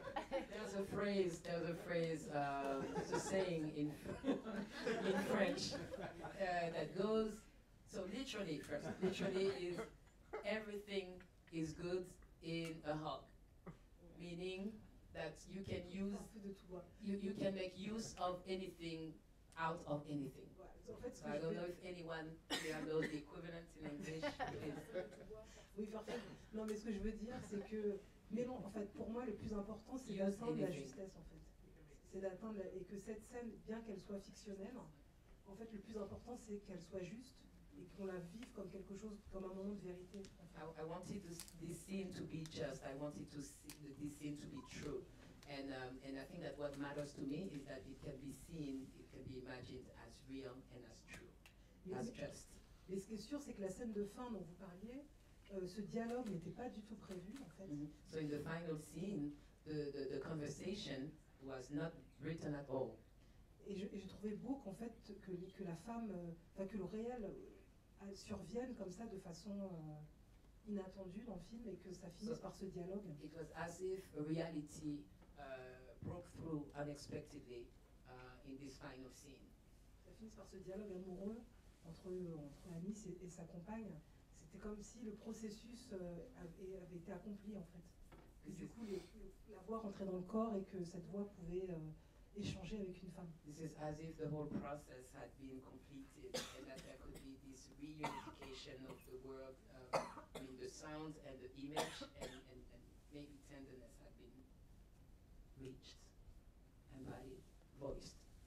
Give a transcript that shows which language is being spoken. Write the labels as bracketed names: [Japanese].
[English] There's a phrase, there's a saying in French that goes, so literally, first, literally is everything is good in a hug, meaning that you can use, you can make use of anything out of anything. So I don't know if anyone here knows the equivalent in English. [French] Oui, parfait. Non, mais ce que je veux dire, c'est que, mais non, en fait, pour moi, le plus important, c'est d'atteindre la justesse, en fait. C'est d'atteindre, et que cette scène, bien qu'elle soit fictionnelle, en fait, le plus important, c'est qu'elle soit juste et qu'on la vive comme quelque chose, comme un moment de vérité. [English] I wanted this scene to be just. I wanted to see this scene to be true. And I think that what matters to me is that it can be seen, it can be imagined as real and as true, as just. [French] Mais ce qui est sûr, c'est que la scène de fin dont vous parliez, ce dialogue n'était pas du tout prévu, en fait. Mm-hmm. [English] So in the final scene, the conversation was not written at all. [French] Et je trouvais beau qu'en fait, que la femme, enfin que le réel survienne comme ça de façon inattendue dans le film et que ça finisse par ce dialogue. [English] It was as if reality broke through unexpectedly in this final scene. [French] Ça finisse par ce dialogue amoureux entre Alice et sa compagne. C'était comme si le processus avait été accompli en fait. Et du coup, la voix rentrait dans le corps et que cette voix pouvait échanger avec une femme. [English] This is as if the whole process had been completed and that there could be this reunification of the world, I mean the sound and the image, and maybe tenderness had been reached and by voiced.